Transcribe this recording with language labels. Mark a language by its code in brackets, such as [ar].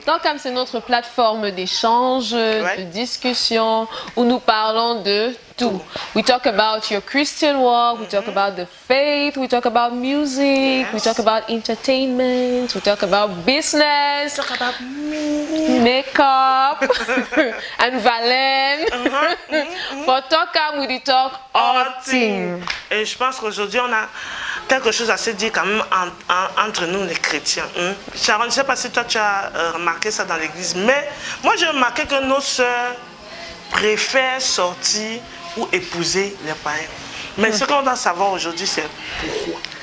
[fr] Talkam, c'est notre plateforme d'échange, ouais, de discussion, où nous parlons de tout. [en] We talk about your Christian walk, mm-hmm, we talk about the faith, we talk about music, yes, we talk about entertainment, we talk about business, we talk about me, makeup, and Valen. Mm-hmm. For Talkam, we talk all things. [fr] Et je pense qu'aujourd'hui, on a quelque chose à se dire quand même entre nous, les chrétiens. Hein? Sharon, je ne sais pas si toi, tu as remarqué ça dans l'église, mais moi, j'ai remarqué que nos sœurs préfèrent sortir ou épouser les païens. Mais ce qu'on doit savoir aujourd'hui, c'est pourquoi.